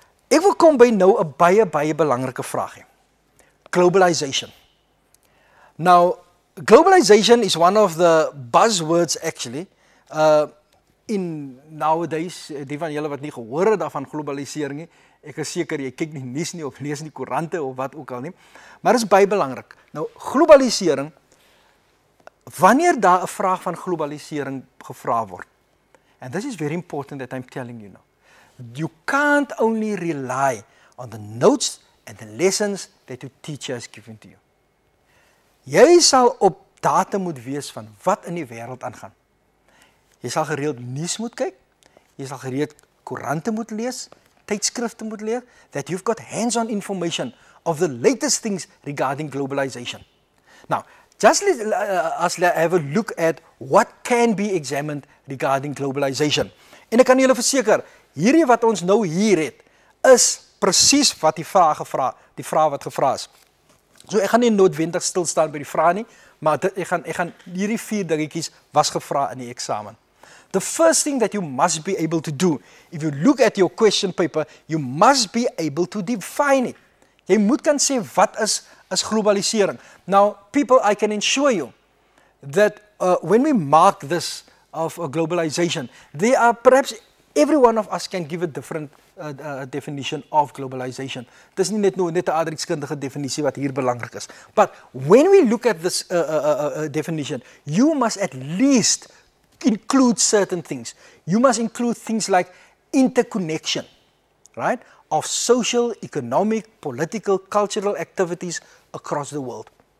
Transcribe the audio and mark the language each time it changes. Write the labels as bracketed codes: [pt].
[af] Ek wil kom by nou 'n baie baie belangrike vraag hê. [en] Globalisation. Now, globalisation is one of the buzzwords actually. In nowadays, [af] die van julle wat nie gehoor het daarvan globalisering nie, ek is seker jy kyk nie nuus nie of lees nie koerante of wat ook al nie. Maar dit is baie belangrik. Nou, globalisering, wanneer daar 'n vraag van globalisering gevra word. [en] And this is very important that I'm telling you now. You can't only rely on the notes and the lessons that your teacher has given to you. [af] Jy sal op datum moet wees van wat in die wêreld aangaan. Jy sal gereeld nuus moet kyk. Jy sal gereeld koerante moet lees, [en] tydskrifte moet lees that you've got hands-on information of the latest things regarding globalization. Now, just let's have a look at what can be examined regarding globalization. [af] En ek kan julle verseker, hierdie wat ons nou hier het, is presies wat die vraag gevra, die vraag wat gevra is. So ek gaan nie noodwendig stilstaan by die vraag nie, maar dit, ek gaan hierdie vier dingetjies was gevra in die eksamen. [en] The first thing that you must be able to do, if you look at your question paper, you must be able to define it. [af] Jy moet kan sê wat is globalisering. [en] Now, people, I can assure you that when we mark this of globalization, there are perhaps every one of us can give a different definition of globalization. [af] Dis nie net 'n aardrykskundige definisie wat hier belangrik is. [en] But when we look at this definition, you must at least include certain things. You must include things like interconnection, right? Of social, economic, political, cultural activities across the world.